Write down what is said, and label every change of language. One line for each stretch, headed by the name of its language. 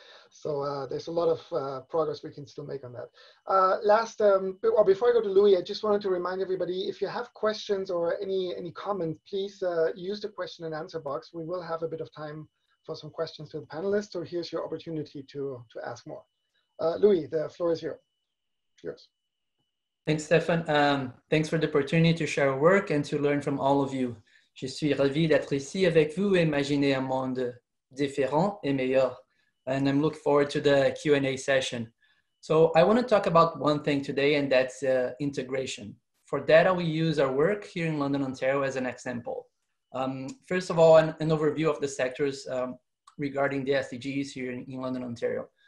English: So there's a lot of progress we can still make on that. Before I go to Louis, I just wanted to remind everybody, if you have questions or any comments, please use the question and answer box. We will have a bit of time for some questions to the panelists, so here's your opportunity to ask more. Louis, the floor is yours. Thanks, Stefan. Thanks for the opportunity to share our work and to learn from all of you.
French: Je suis ravi d'être ici avec vous et imaginer un monde différent et meilleur.
English: And I'm looking forward to the Q&A session. So I want to talk about one thing today, and that's integration. For data, we use our work here in London, Ontario as an example. First of all, an overview of the sectors regarding the SDGs here in London, Ontario.